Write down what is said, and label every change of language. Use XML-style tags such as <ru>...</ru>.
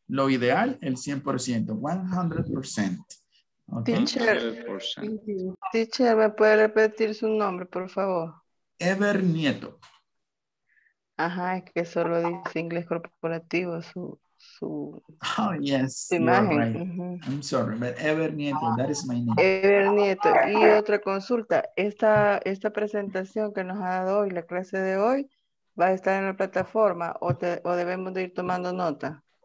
<es>Lo ideal, el 100%. 100%. ¿Okay? Teacher, 100%. Teacher, ¿me puede repetir su nombre, por favor? Ever Nieto. Ajá, es que solo dice inglés corporativo su</es> <en>oh, yes,</en> <es>su imagen. Right. Mm-hmm.</es> <en>I'm sorry, but Ever Nieto, that is my name. Ever Nieto.</en> <es>Y otra consulta, esta presentación que nos ha dado hoy, la clase de hoy, ¿va a estar en la plataforma o debemos de ir tomando nota?</es>